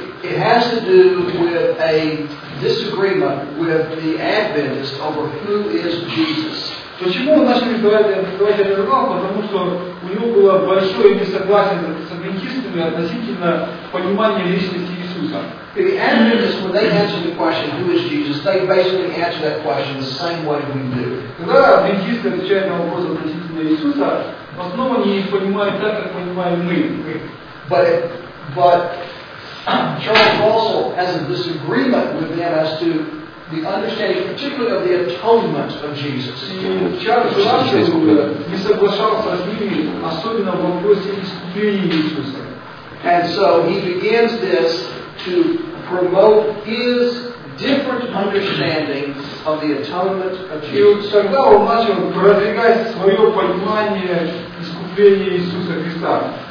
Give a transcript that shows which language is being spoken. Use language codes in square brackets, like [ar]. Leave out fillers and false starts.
[en] It has to do with a disagreement with the Adventists over who is Jesus. [ru] Почему он начал издавать этот журнал? Потому что у него было большое несогласие с адвентистами относительно понимания личности Иисуса. Иисуса. [en] The Adventists, when they answer the question, who is Jesus, they basically answer that question the same way we do. [ru] Когда адвентисты отвечают на вопрос относительно Иисуса, в основном они понимают так, как понимаем мы. [en] But Charles Russell has a disagreement within us to the understanding, particularly of the atonement of Jesus. [ru] Charles Russell не соглашался с ними, особенно в вопросе искупления Иисуса. [en] And so he begins this to promote his different understanding of the atonement of Jesus. [ru] И вот тогда он начал продвигать свое понимание искупления Иисуса Христа.